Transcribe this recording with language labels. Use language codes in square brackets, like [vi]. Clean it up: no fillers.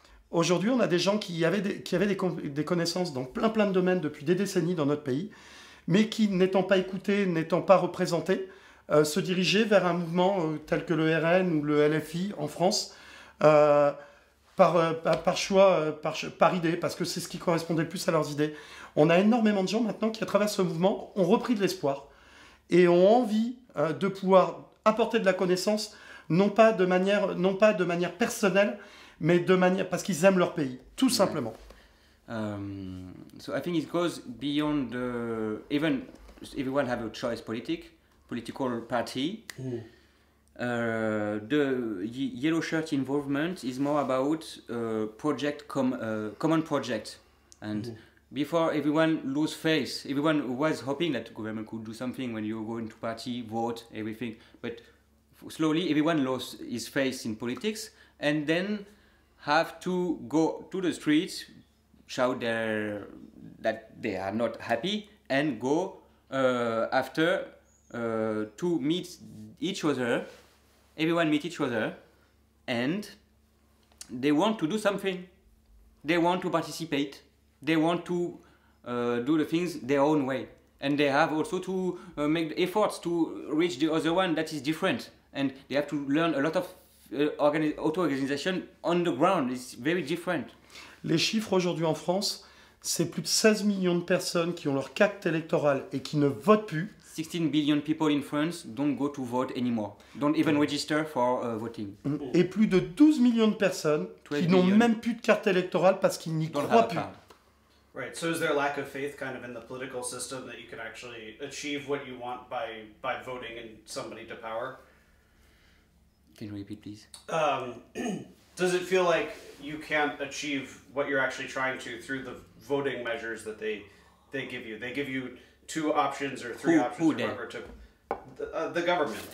[fr] Aujourd'hui, on a des gens qui avaient des connaissances dans plein de domaines depuis des décennies dans notre pays, mais qui, n'étant pas écoutés, n'étant pas représentés, se diriger vers un mouvement tel que le RN ou le LFI en France par choix, par idée, parce que c'est ce qui correspondait le plus à leurs idées. On a énormément de gens maintenant qui, à travers ce mouvement, ont repris de l'espoir et ont envie de pouvoir apporter de la connaissance, non pas de manière personnelle, mais de manière parce qu'ils aiment leur pays, tout simplement. [en] So I think it goes beyond the even everyone have a choice political party. The yellow shirt involvement is more about common project, and before everyone lose faith, everyone was hoping that government could do something when you go into party, vote, everything. But slowly, everyone lost his faith in politics, and then have to go to the streets, shout that they are not happy, and go after to meet each other. Everyone meet each other, and they want to do something. They want to participate. They want to do the things their own way. And they have also to make efforts to reach the other one that is different. And they have to learn a lot of auto-organization on the ground. It's very different. [fr] Les chiffres aujourd'hui en France, c'est plus de 16 millions de personnes qui ont leur carte électorale et qui ne votent plus. [en] 16 billion people in France don't go to vote anymore. Don't even register for voting. [fr] Et plus de 12 millions de personnes qui n'ont même plus de carte électorale parce qu'ils n'y croient plus. [en] Right, so is there a lack of faith kind of in the political system that you can actually achieve what you want by voting in somebody to power? Can you repeat, please? Does it feel like you can't achieve what you're actually trying to through the voting measures that they give you? They give you two options or three the government.